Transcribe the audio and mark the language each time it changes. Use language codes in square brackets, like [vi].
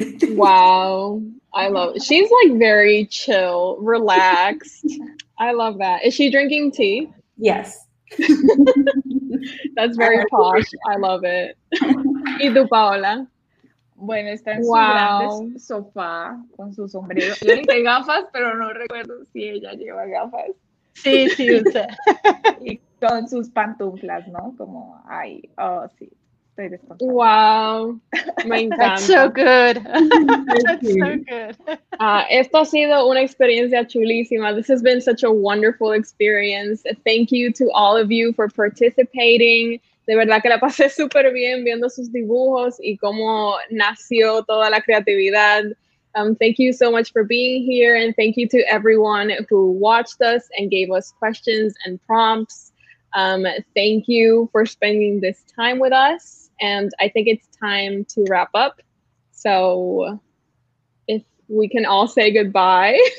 [en] Wow. I love it. She's like very chill, relaxed. I love that. Is she drinking tea? Yes. That's very posh. I love it. [es] ¿Y tú, Paola? Bueno, está en su grande sofá con su sombrero. Yo dije gafas, pero no recuerdo si ella lleva gafas. Sí, sí, o sea. Y con sus pantuflas, ¿no? Como, ay, oh, sí. Estoy descontando. ¡Wow! Me encanta. [en] That's so good. That's so good. [es] Esto ha sido una experiencia chulísima. [en] This has been such a wonderful experience. Thank you to all of you for participating. [es] De verdad que la pasé súper bien viendo sus dibujos y cómo nació toda la creatividad. [en] Thank you so much for being here, and thank you to everyone who watched us and gave us questions and prompts. Thank you for spending this time with us, and I think it's time to wrap up. So if we can all say goodbye.